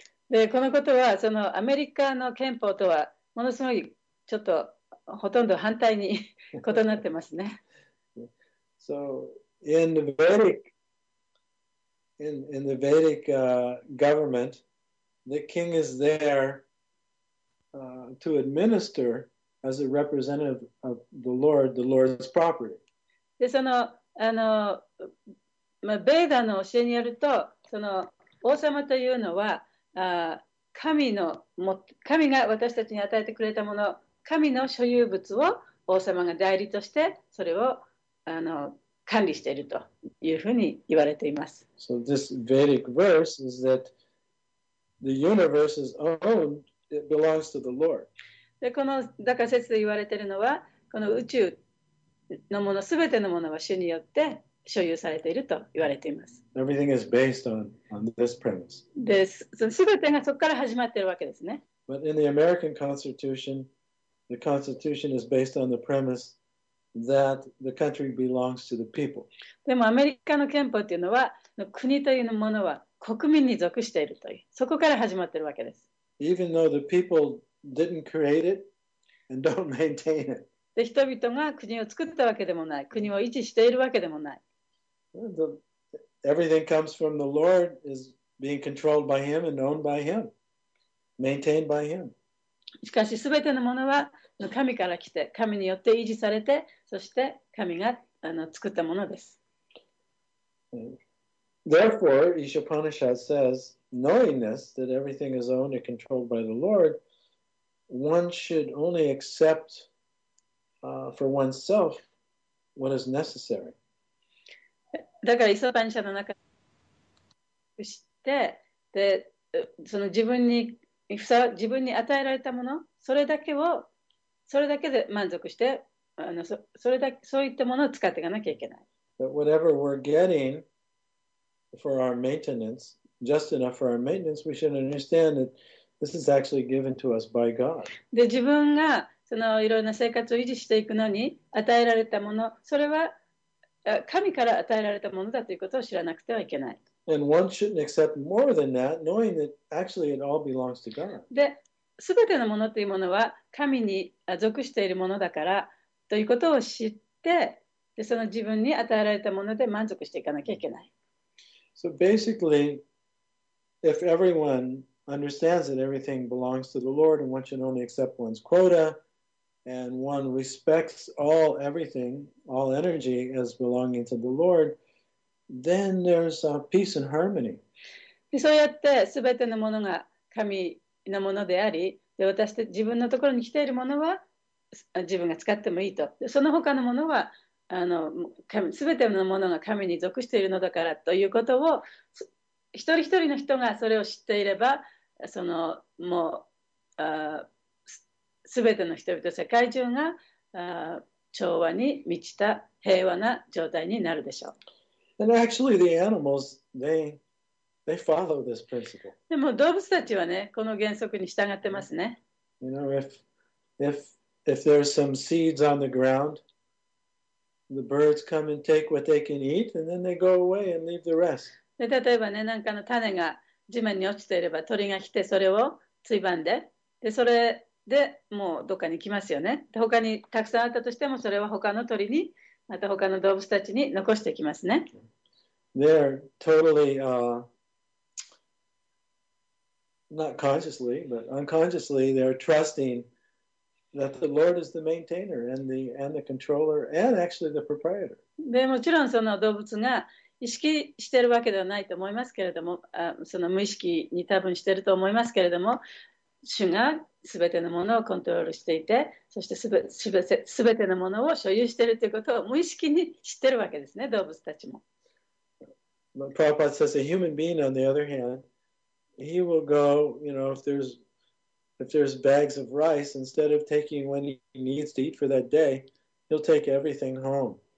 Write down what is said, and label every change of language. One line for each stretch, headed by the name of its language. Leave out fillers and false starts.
Japanese: で、このことはそのアメリカの憲法とはものすごいちょっとほとんど反対に異なってますね。
English: So in the Vedic, in the Vedic government, the king is there to administer as a representative of the Lord, the Lord's property.
Japanese: で、ベーダの教えによると、その王様というのは、神が私たちに与えてくれたもの。神の所有物を王様が代理としてそれを管理しているというふうに言われています。
English: So this Vedic verse is that the universe is owned, it belongs to the Lord.
Japanese: で、このだから説で言われているのは、この宇宙のもの、すべてのものは主によって所有されていると言われています。
English: Everything is based on this premise.
Japanese: で、すべてがそこから始まっているわけですね。
English: But in the American Constitution,The Constitution is based on the premise that the country belongs to the people.
Japanese: でもアメリカの憲法というのは、国というものは国民に属しているという、そこから始まっているわけです。
English: Even though the people didn't create it and don't maintain it.
Japanese: で、人々が国を作ったわけでもない、国を維持しているわけでもない。
English: Everything comes from the Lord, is being controlled by Him and owned by Him, maintained by Him.
Japanese: しかし、すべてのものは神から来て、神によって維持されて、そして神が作ったものです。
English: Therefore, Isha Upanishad says, knowing this, that everything is owned and controlled by the Lord, one should only accept for oneself what is necessary.
Japanese: だから、イソパニシャの中で知って、で、その自分に与えられたもの、それだけを、それだけで満足して、それだけ、そういったものを使っていかなきゃいけない。
English: That whatever we're getting,For our maintenance, just enough for our maintenance, we should understand that this is actually given to us by God.
Japanese: で、自分がそのいろんな生活を維持していくのに与えられたもの、それは神から与えられたものだということを知らなくてはいけない。
English: And one shouldn't accept more than that, knowing that actually it all belongs to God.
Japanese: で、すべてのものというものは神に属しているものだからということを知って、で、その自分に与えられたもので満足していかなきゃいけない。
English: So basically, if everyone understands that everything belongs to the Lord and one should only accept one's quota, and one respects all everything, all energy as belonging to the Lord, then there's peace and harmony.
Japanese: そうやって全てのものが神のものであり、で、私たち自分のところに来ているものは自分が使ってもいいと。その他のものは、全てのものが神に属しているのだからということを一人一人の人がそれを知っていれば、そのもう全ての人々、世界中が調和に満ちた平和な状態になるでしょう。
English: And actually the animals, they follow this principle.
Japanese: でも動物たちはね、この原則に従ってますね。
English: You know, if there's some seeds on the groundThe birds come and take what they can eat, and then they go away and leave the rest.
Japanese: で、例えばね、なんかの種が地面に落ちていれば、鳥が来てそれをついばんで、で、それでもうどっかに来ますよね。で、他にたくさんあったとしても、それは他の鳥に、また他の動物たちに残していきますね。
English: They're totally, not consciously, but unconsciously, they're trusting. That the Lord is the maintainer and the controller and actually the proprietor.
Japanese: で、もちろんその動物が意識してるわけではないと思いますけれども、その無意識に多分してると思いますけれども、主がすべてのものをコントロールしていて、そしてすべてのものを所有しているということを無意識に知ってるわけですね、動物たちも。
English: But Prabhupada says a human being, on the other hand, he will go, you know, if there's bags of rice, instead of taking what he needs to eat for that day, he'll take everything home.